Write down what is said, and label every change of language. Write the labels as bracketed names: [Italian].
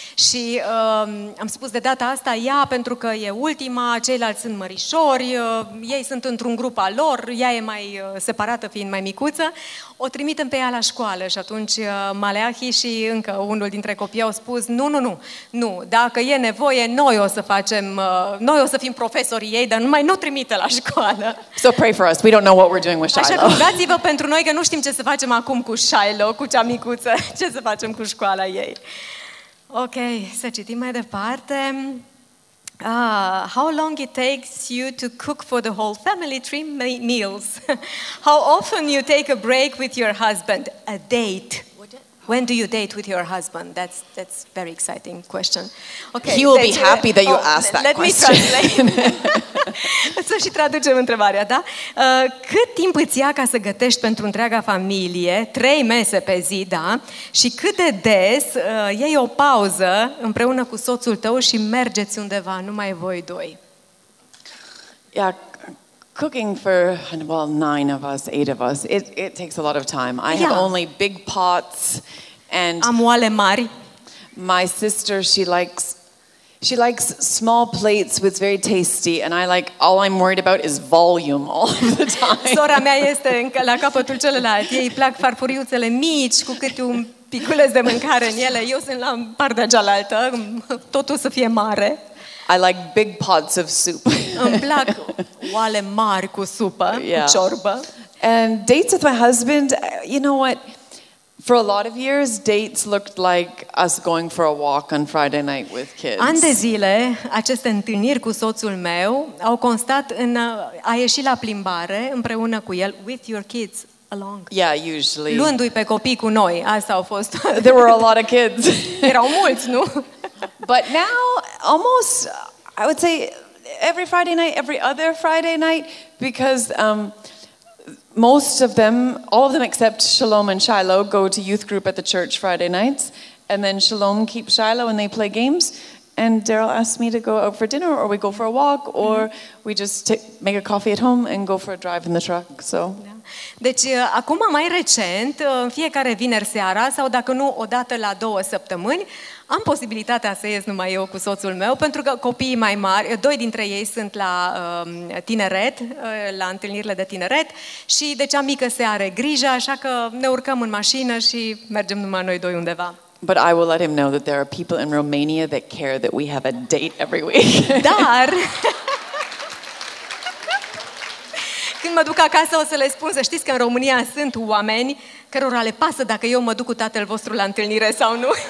[Romanian] Și am spus de data asta, ea, pentru că e ultima, ceilalți sunt mărișori, ei sunt într-un grup al lor, ea e mai separată fiind mai micuță, o trimitem pe ea la școală. Și atunci Maleahi și încă unul dintre copii au spus, nu, dacă e nevoie, noi o să fim profesorii ei, dar numai nu trimite la școală. [English] So pray for us, we don't know what we're doing with Shiloh. [Romanian] Rugați-vă pentru noi că nu știm ce să facem acum cu Shiloh, cu cea micuță, ce să facem cu școala ei. Ok, să citim mai departe. [English] How long it takes you to cook for the whole family 3 meals? How often you take a break with your husband? A date. When do you date with your husband? That's very exciting question. Okay, he will be happy that you asked that question. Let me translate. [Romanian] Să și traducem întrebarea, da? Cât timp îți ia ca să gătești pentru întreaga familie, 3 mese pe zi, da? Și cât de des iei o pauză împreună cu soțul tău și mergeți undeva, numai voi doi? [English] Yeah, cooking for, well, 9 of us, 8 of us, it takes a lot of time. I have only big pots and... [Romanian] Am oale mari. [English] My sister, she likes small plates, which is very tasty, and I like, all I'm worried about is volume all the time. [Romanian] Sora mea este încă la capătul celălalt. Ei plac farfuriuțele mici, cu câte un piculeț de mâncare în ele. Eu sunt la partea cealaltă, totul să fie mare. [English] I like big pots of soup. [Romanian] Îmi plac oale mari cu supă, cu ciorbă. [English] And dates with my husband, you know what? For a lot of years, dates looked like us going for a walk on Friday night with kids. [Romanian] An de zile, aceste întâlniri cu soțul meu au constat în a ieși la plimbare împreună cu el, [English] with your kids. Along. Yeah, usually. [Romanian] Luându-i pe copii cu noi, asta au fost. [English] There were a lot of kids. [Romanian] Erau mulți, nu? [English] But now, almost, I would say, every Friday night, every other Friday night, because most of them, all of them except Shalom and Shiloh, go to youth group at the church Friday nights, and then Shalom keeps Shiloh and they play games. And Daryl asked me to go out for dinner, or we go for a walk, or we just make a coffee at home and go for a drive in the truck. So. [Romanian] Deci, acum mai recent, în fiecare vineri seara, sau dacă nu, o dată la 2 săptămâni, am posibilitatea să ies numai eu cu soțul meu, pentru că copiii mai mari, 2 dintre ei sunt la tineret, la întâlnirile de tineret, și de cea mică se are grijă, așa că ne urcăm în mașină și mergem numai noi doi undeva. [English] But I will let him know that there are people in Romania that care that we have a date every week. [Romanian] Dar când mă duc acasă o să le spun, să știți că în România sunt oameni cărora le pasă dacă eu mă duc cu tatăl vostru la întâlnire sau nu.